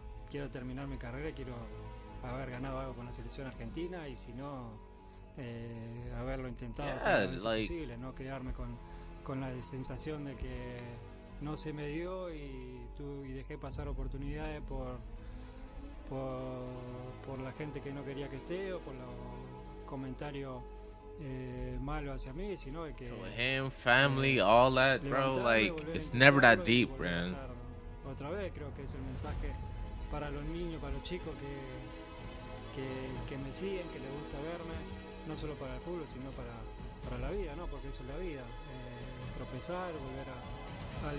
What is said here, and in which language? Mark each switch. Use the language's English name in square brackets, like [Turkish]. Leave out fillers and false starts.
[Spanish] Quiero terminar mi carrera, quiero haber ganado algo con la selección argentina y si no haberlo intentado posible, no quedarme con la sensación de que no se me dio y dejé pasar oportunidades por la gente que no quería que esté o por los comentarios malos hacia mí, sino que [English] so him, family, all that, bro, like it's never that deep, man. [Spanish] Otra vez creo que es el mensaje para los niños, para los chicos que me siguen, que les gusta verme. No solo para el fútbol, sino para la vida, ¿no? Porque eso es la vida. Tropezar, volver a,